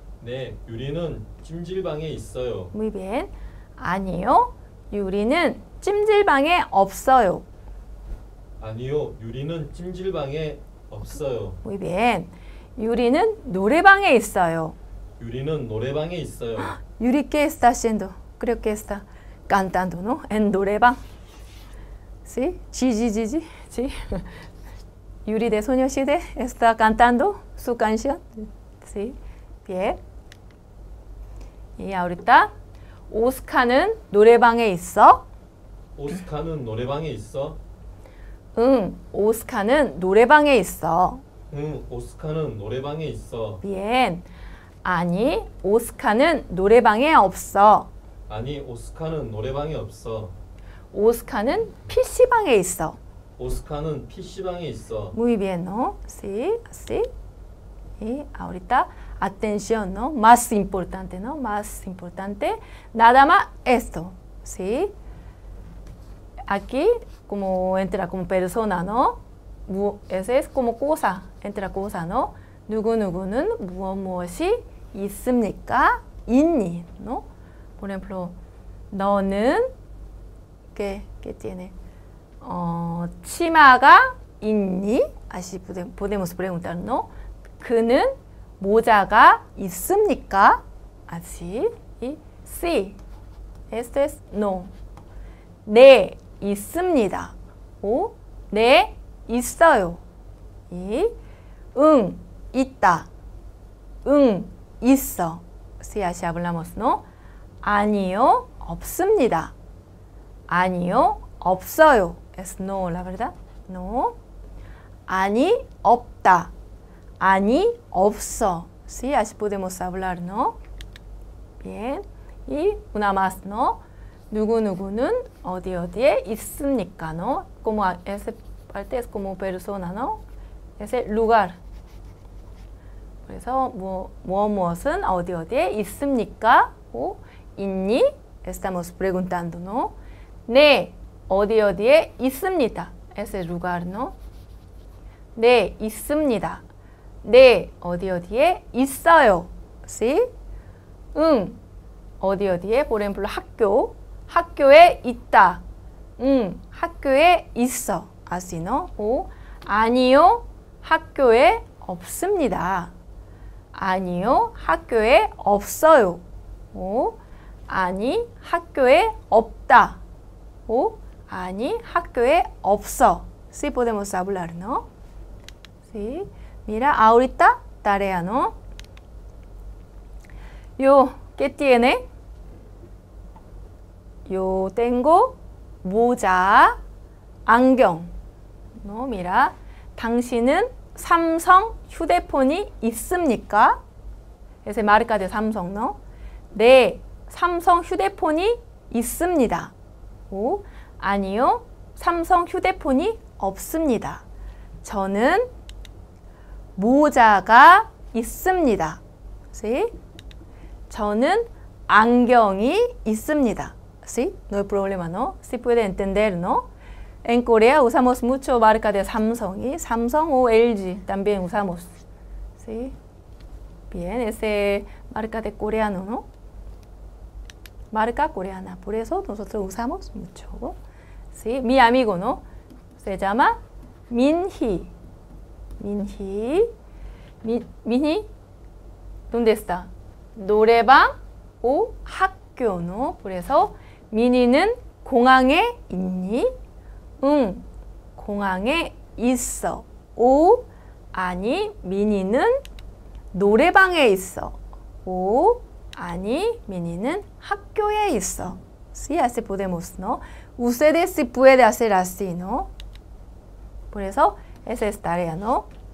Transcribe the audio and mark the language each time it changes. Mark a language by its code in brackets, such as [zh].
[ko] 네, 유리는 찜질방에 있어요. [es] Muy bien. [ko] 아니요, 유리는 찜질방에 없어요. 아니요, 유리는 찜질방에 없어요. [es] Muy bien. [ko] 유리는 노래방에 있어요. 유리는 노래방에 있어요. [es] 유리 que está haciendo? Creo que está cantando, ¿no? En 노래방. Sí, sí. Sí. Yuri de Soñoside está cantando su canción. Sí, bien. Y ahorita, [ko] Oscar은 노래방에 있어? Oscar은 노래방에 있어? 응, Oscar은 노래방에 있어. 응, Oscar은 노래방에 있어. [es] Bien. [ko] 아니, Oscar은 노래방에 없어. 아니, Oscar은 노래방에 없어. 오스카는 PC방에 있어. 오스카는 PC방에 있어. [es] Muy bien, ¿no? Sí, sí. Y ahorita, atención, ¿no? Más importante, ¿no? Más importante. Nada más esto, ¿sí? Aquí, como entra como persona, ¿no? Eso es como cosa, entra cosa, ¿no? [ko] 누구누구는 무엇무엇이 있습니까? 있니, ¿no? [es] Por ejemplo, 너는 que tiene. [ko] 어, 치마가 있니? [es] Así podemos preguntar, ¿no? [ko] 그는 모자가 있습니까? [es] Así. Y sí. Esto es no. [ko] 네, 있습니다. O 네, 있어요. Y 응, 있다. 응, 있어. [es] Sí, así hablamos, ¿no? [ko] 아니요, 없습니다. 아니요, 없어요. [es] Es no, la verdad. No. [ko] 아니, 없다. 아니, 없어. [es] Sí, así podemos hablar, ¿no? Bien. Y una más, ¿no? [ko] 누구누구는 어디 어디에 있습니까, ¿no? [es] Como esa parte es como persona, ¿no? Es el lugar. [ko] 그래서 무엇은 어디 어디에 있습니까? O 있니? [es] Estamos preguntando, ¿no? [ko] 네, 어디 어디에 있습니다. [es] Ese lugar, ¿no? [ko] 네, 있습니다. 네, 어디 어디에 있어요. ¿Sí? 응, 어디 어디에, por ejemplo, 학교. 학교에 있다. 응, 학교에 있어. Así, ¿no? O, 아니요, 학교에 없습니다. 아니요, 학교에 없어요. O, 아니, 학교에 없다. 오, 아니, 학교에 없어. [es] Sí, podemos hablar, ¿no? Sí. Mira, ahorita, tarea, ¿no? Yo, ¿qué tiene? Yo tengo 모자, 안경. No, mira. [ko] 당신은 삼성 휴대폰이 있습니까? [es] Ese marca de Samsung, ¿no? [ko] 네, 삼성 휴대폰이 있습니다. 오, 아니요, 삼성 휴대폰이 없습니다. 저는 모자가 있습니다. [en] See? [ko] 저는 안경이 있습니다. [en] See? [es] No hay problema, ¿no? Si puede entender, ¿no? En Corea usamos mucho marca de Samsung. Samsung o LG también usamos. [en] See? [es] Bien, ese marca de coreano, ¿no? Marca coreana. Por eso nosotros usamos mucho. Sí, mi amigo, ¿no? Se llama Minhi. Minhi. Minhi. ¿Dónde está? [ko] 노래방 o 학교, ¿no? [es] Por eso, [ko] Minhi는 공항에 있니? 응, 공항에 있어. O, 아니, Minhi는 노래방에 있어. O, 아니, 미니는 학교에 있어. [es] Sí, así podemos, ¿no? Ustedes sí pueden hacer así, ¿no? Por eso, esa es tarea, ¿no?